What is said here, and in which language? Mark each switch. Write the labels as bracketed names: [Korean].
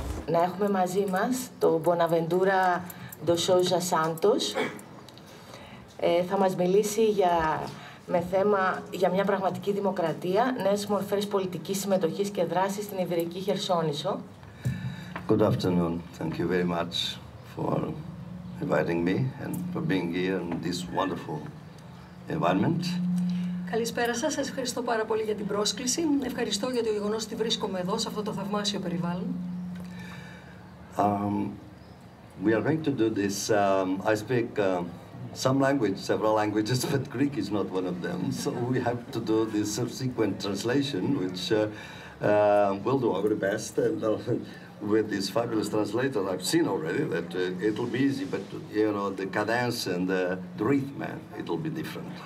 [Greek] Να έχουμε μαζί μας το Bonaventura do Souza Santos. Θα μας μιλήσει για με θέμα για μια πραγματική δημοκρατία, νέες μορφές πολιτικής συμμετοχής και δράσης στην Ιβηρική Χερσόνησο. [English] Good afternoon. Thank you very much for inviting me and for being here in this wonderful environment. [Greek] Καλησπέρα σας. Σας ευχαριστώ πάρα πολύ για την πρόσκληση. Ευχαριστώ για το γεγονός ότι βρίσκομαι εδώ, σε αυτό το θαυμάσιο περιβάλλον. [English] We are going to do this. I speak some language, several languages, but Greek is not one of them. So we have to do this subsequent translation, which we'll do our best. And with this fabulous translator, I've seen already that it'll be easy, but you know, the cadence and the rhythm, it'll be different.